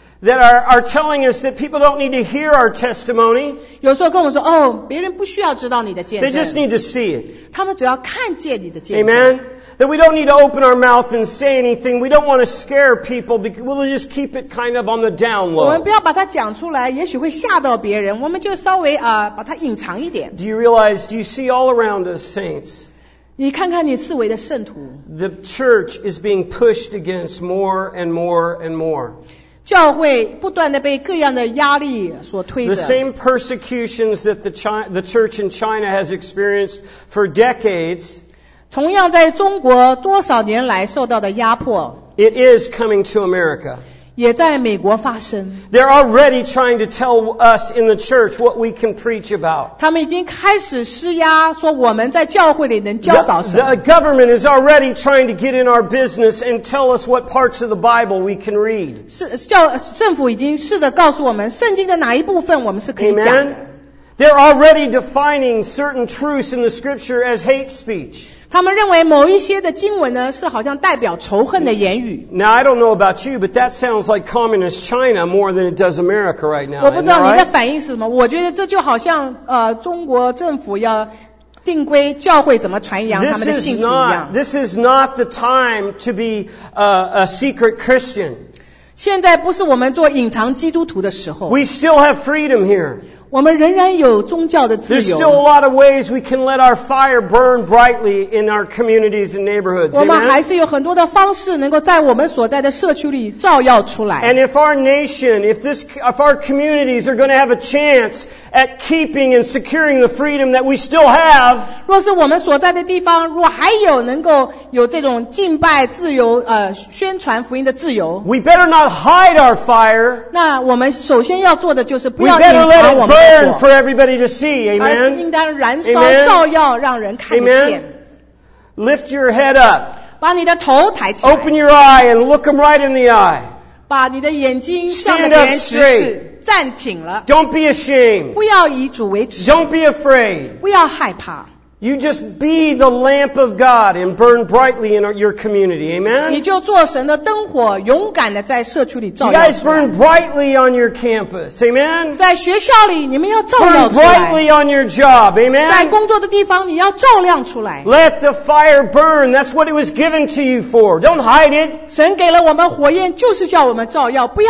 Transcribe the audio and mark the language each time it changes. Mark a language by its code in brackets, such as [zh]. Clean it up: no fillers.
[en] That are telling us that people don't need to hear our testimony. [zh] 有时候跟我说，哦，别人不需要知道你的见证。 [en] They just need to see it. [zh] 他们只要看见你的见证。 [en] Amen. That we don't need to open our mouth and say anything. We don't want to scare people. We'll just keep it kind of on the down low. [zh] 我们不要把它讲出来，也许会吓到别人。我们就稍微把它隐藏一点。 [en] Do you realize? Do you see all around us, saints? [zh] 你看看你四围的圣徒。 [en] The church is being pushed against more and more and more. [zh] 教会不断地被各样的压力所推着。 [en] The same persecutions that the church in China has experienced for decades. [zh] 同样在中国多少年来受到的压迫 [en] It is coming to America. [zh] 也在美国发生 [en] They're already trying to tell us in the church what we can preach about. [zh] 他们已经开始施压说我们在教会里能教导什么 [en] The government is already trying to get in our business and tell us what parts of the Bible we can read. [zh] 政府已经试着告诉我们圣经的哪一部分我们是可以讲的 [en] Amen. They're already defining certain truths in the scripture as hate speech. [zh] 他们认为某一些的经文呢是好像代表仇恨的言语。 [en] Now I don't know about you, but that sounds like communist China more than it does America right now. [zh] 我不知道你的反应是什么，我觉得这就好像中国政府要定规教会怎么传扬他们的信息一样。 [en] This is not the time to be a secret Christian. [zh] 现在不是我们做隐藏基督徒的时候。 [en] We still have freedom here. There's still a lot of ways we can let our fire burn brightly in our communities and neighborhoods. [zh] 我们还是有很多的方式能够在我们所在的社区里照耀出来。 [en] And if our nation, if our communities are going to have a chance at keeping and securing the freedom that we still have, [zh] 若是我们所在的地方, 若还有能够有这种敬拜自由, 宣传福音的自由, [en] we better not hide our fire. [zh] 那我们首先要做的就是不要隐藏我们的火。 [en] Burn for everybody to see, amen? [zh] 而是应当燃烧照耀, [en] amen? Amen? Lift your head up. [zh] 把你的头抬起来, [en] open your eye and look them right in the eye. [zh] 把你的眼睛向着别人直视。站挺了, [en] don't be ashamed. [zh] 不要以主为耻, [en] don't be afraid. [zh] 不要害怕, [en] you just be the lamp of God and burn brightly in your community. Amen? [zh] 你就做神的灯火, [en] you guys burn brightly on your campus. Amen? [zh] 在学校里, [en] burn brightly on your job. Amen? [zh] 在工作的地方, [en] let the fire burn. That's what it was given to you for. Don't hide it. [zh] 神给了我们火焰, 就是叫我们照耀,